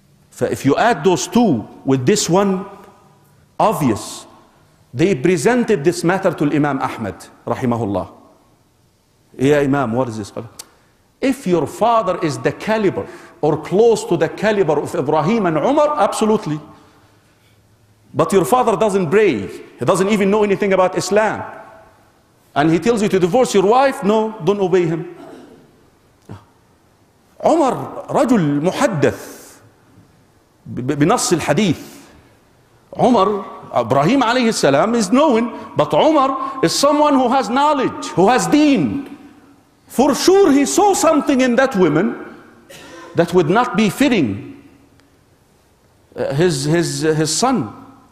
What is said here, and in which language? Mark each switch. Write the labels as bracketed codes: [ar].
[en] So if you add those two with this one, obvious, they presented this matter to Imam Ahmad rahimahullah. Ya Imam, what is this? If your father is the caliber or close to the caliber of Ibrahim and Umar, absolutely. But your father doesn't pray. He doesn't even know anything about Islam. And he tells you to divorce your wife. No, don't obey him. [ar] Umar, رجل محدث بنص الحديث. [en] Umar, Ibrahim عليه السلام is knowing, but Umar is someone who has knowledge, who has deen. For sure he saw something in that woman that would not be fitting his son.